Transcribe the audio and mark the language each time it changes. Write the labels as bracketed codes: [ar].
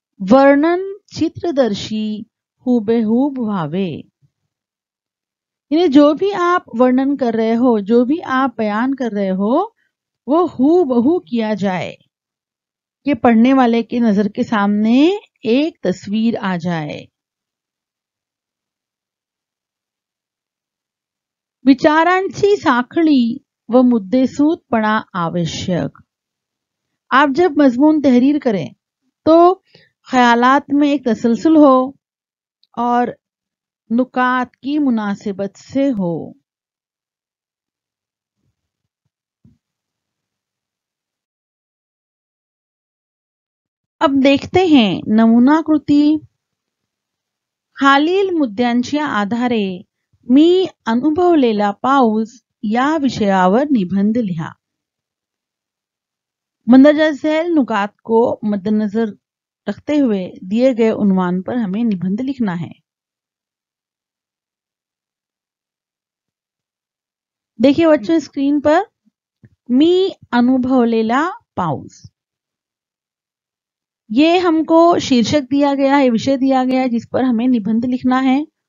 [mr] वर्णन चित्रदर्शी हूबहू भावे, [hi] यानी जो भी आप वर्णन कर रहे हो, जो भी आप बयान कर रहे हो वो हूबहू किया जाए, कि पढ़ने वाले की नजर के सामने एक तस्वीर आ जाए। [mr] विचारांची साखळी व मुद्देसूदपणा आवश्यक। [hi] आप जब मजमून तहरीर करें तो ख्यालात में एक तसलसल हो और नुकात की मुनासिबत से हो। अब देखते हैं नमूना कृति। [mr] खालील मुद्द्यांच्या आधारे मी अनुभवलेला पाऊस या विषयावर निबंध लिहा। [hi] मंदरजा झैल नुकात को मद्देनजर रखते हुए दिए गए उन्वान पर हमें निबंध लिखना है। देखिए बच्चों स्क्रीन पर, [mr] मी अनुभवलेला पाऊस, [hi] ये हमको शीर्षक दिया गया है, विषय दिया गया है जिस पर हमें निबंध लिखना है।